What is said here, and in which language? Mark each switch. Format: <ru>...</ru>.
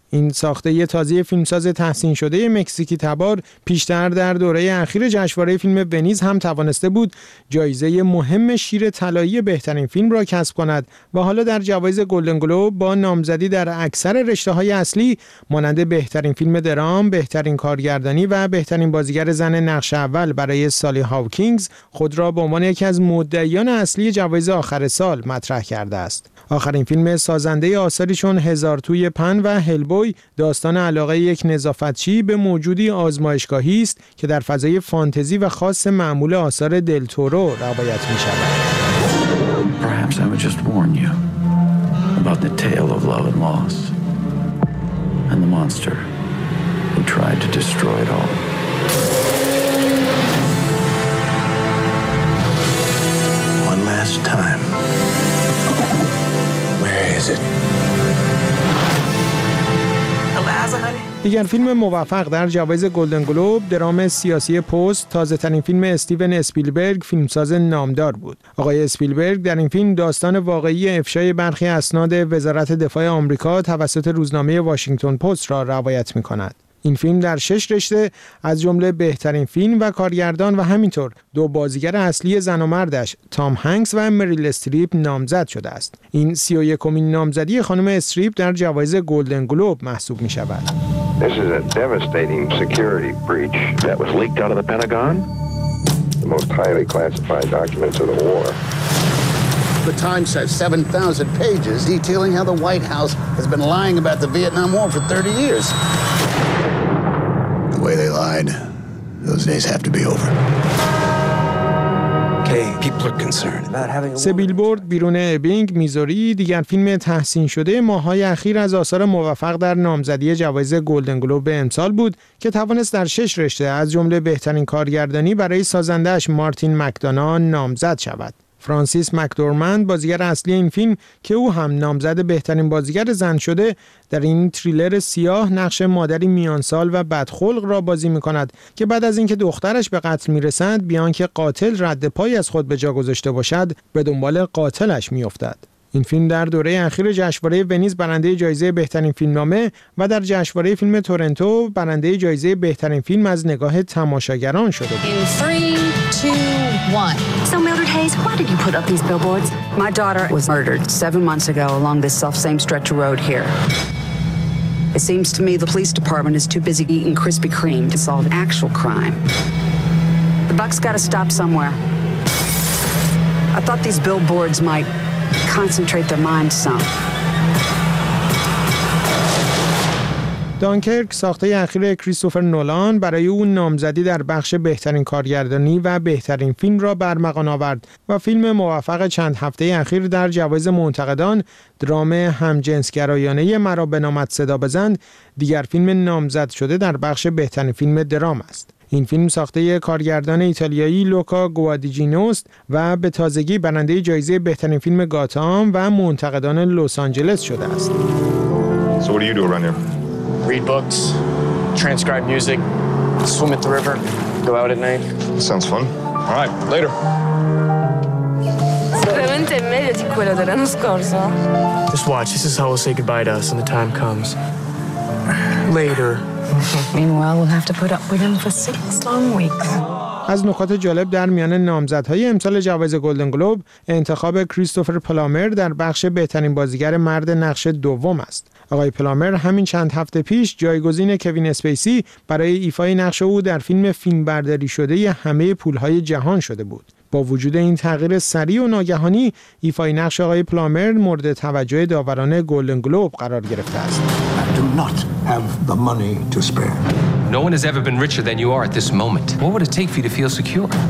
<fa>این ساخته تازه فیلمساز تحسین شده مکزیکی تبار پیشتر در دوره اخیر جشنواره فیلم ونیز هم توانسته بود جایزه مهم شیر طلایی بهترین فیلم را کسب کند و حالا در جوایز گلدن گلوب با نامزدی در اکثر رشته‌های اصلی مانند بهترین فیلم درام، بهترین کارگردانی و بهترین بازیگر زن نقش اول برای سالی هاوکینگز خود را به عنوان یکی از مدعیان اصلی جوایز آخر سال مطرح کرده است. آخرین فیلم سازنده آثاری چون هزار توی پن و هلبوی داستان علاقه یک نظافتچی به موجودی آزمایشگاهی است که در فضای فانتزی و خاص معمول آثار دل تورو روایت می شود.</fa> <en>Perhaps I would just warn you about the tale of love and loss and the monster who tried to destroy it all. One last time. Where is it?</en> <fa>دیگر فیلم موفق در جوایز گلدن گلوب، درام سیاسی پست، تازه ترین فیلم استیون اسپیلبرگ فیلمساز نامدار بود. آقای اسپیلبرگ در این فیلم داستان واقعی افشای برخی اسناد وزارت دفاع آمریکا توسط روزنامه واشنگتن پست را روایت می‌کند. این فیلم در 6 رشته از جمله بهترین فیلم و کارگردان و همینطور دو بازیگر اصلی زن و مردش تام هنگس و مریل استریپ نامزد شده است. این 31مین نامزدی خانم استریپ در جوایز گلدن گلوب محسوب می شود.</fa> <en>This is a devastating security breach that was leaked out of the Pentagon. The most highly classified documents of the war. The Times has 7,000 pages detailing how the White House has been lying about the Vietnam War for 30 years. The way they lied, those days have to be over.</en> <fa>سه بیلبورد بیرون ابینگ میزوری دیگر فیلم تحسین شده ماهای اخیر از آثار موفق در نامزدی جوایز گلدن گلوب به امسال بود که توانست در 6 رشته از جمله بهترین کارگردانی برای سازندهش مارتین مکدانا نامزد شود. فرانسیس مکدورمند بازیگر اصلی این فیلم که او هم نامزد بهترین بازیگر زن شده در این تریلر سیاه نقش مادری میانسال و بدخلق را بازی می‌کند که بعد از اینکه دخترش به قتل می‌رسد بیان که قاتل رد پای از خود به جا گذاشته باشد به دنبال قاتلش می‌افتد. این فیلم در دوره اخیر جشنواره ونیز برنده جایزه بهترین فیلمنامه و در جشنواره فیلم تورنتو برنده جایزه بهترین فیلم از نگاه تماشاگران شده بود.</fa> <en>So Mildred Hayes, why did you put up these billboards? My daughter was murdered 7 months ago along this self-same stretch of road here. It seems to me the police department is too busy eating Krispy Kreme to solve actual crime. The buck's got to stop somewhere. I thought these billboards might concentrate their minds some.</en> <fa>دانکرک ساخته اخیر کریستوفر نولان برای او نامزدی در بخش بهترین کارگردانی و بهترین فیلم را برمقان آورد و فیلم موفق چند هفته اخیر در جوایز منتقدان درام همجنسگرایانه مرا به نامت صدا بزن دیگر فیلم نامزد شده در بخش بهترین فیلم درام است. این فیلم ساخته کارگردان ایتالیایی لوکا گوادیجینوست و به تازگی برنده جایزه بهترین فیلم گاتام و منتقدان لس آنجلس شده است.</fa> <en>Read books, transcribe music, swim at the river, go out at night. Sounds fun. All right, later.</en> <it>Sicuramente meglio di quello dell'anno scorso.</it> <en>Just watch. This is how we'll say goodbye to us when the time comes. Later. Meanwhile, we'll have to put up with him for 6 long weeks.</en> <fa>از نکات جالب در میان نامزدهای امسال جوایز گلدن گلوب انتخاب کریستوفر پلامر در بخش بهترین بازیگر مرد نقش دوم است. آقای پلامر همین چند هفته پیش جایگزین کوین اسپیسی برای ایفای نقش او در فیلم برداری شده ی همه پولهای جهان شده بود. با وجود این تغییر سریع و ناگهانی، ایفای نقش آقای پلامر مورد توجه داوران گلدن گلوب قرار گرفته است.</fa> <en>No one has ever been richer than you are at this moment. What would it take for you to feel secure?</en>